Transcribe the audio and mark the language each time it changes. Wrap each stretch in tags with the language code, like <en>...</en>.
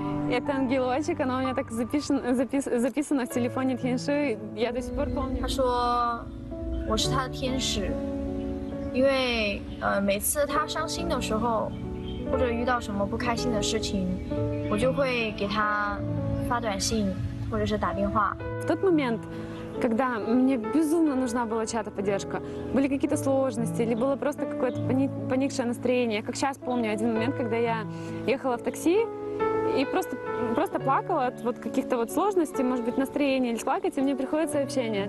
<ru>Это ангелочек, она у меня так записана в телефоне Тяньши. Я до сих пор помню.</ru> <zh>他说我是他的天使，因为每次他伤心的时候，或者遇到什么不开心的事情，我就会给他发短信或者是打电话。</zh> <ru>В тот момент, когда мне безумно нужна была чья-то поддержка, были какие-то сложности или было просто какое-то поникшее настроение. Как сейчас помню один момент, когда я ехала в такси и просто плакала от вот каких-то вот сложностей, может быть, настроения, или плакать, и мне приходит сообщение.</ru>